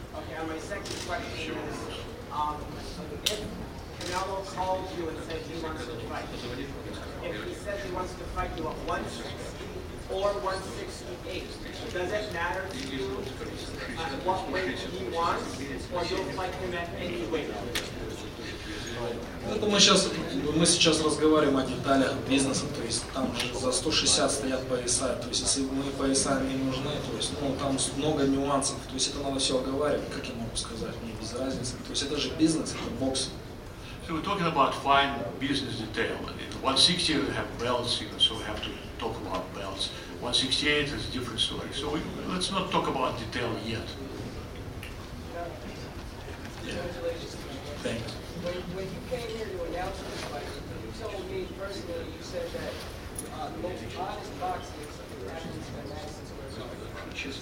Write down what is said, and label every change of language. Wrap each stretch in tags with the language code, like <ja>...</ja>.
<en>Okay, and my second question is, if Canelo Canelo called you and said he wants to fight you, if he says he wants to fight you at 160 or 168, does it matter to you at what weight he wants, or you'll fight him at any weight?</en> <ru>Это мы сейчас разговариваем о деталях бизнеса, то есть там же за 160 стоят пояса, то есть если мои пояса не нужны, то есть ну, там много нюансов, то есть это надо все оговаривать, как я могу сказать, мне без разницы, то есть это же бизнес, это бокс.</ru> <en>So we're talking about fine business detail. At 160 you have belts, you know, so we have to talk about belts. 168 is a different story. So let's not talk about detail yet. Yeah. Thanks. When you came here to announce this fight, you told me personally, you said that the most modest boxing is happening at Madison Square Garden.</en>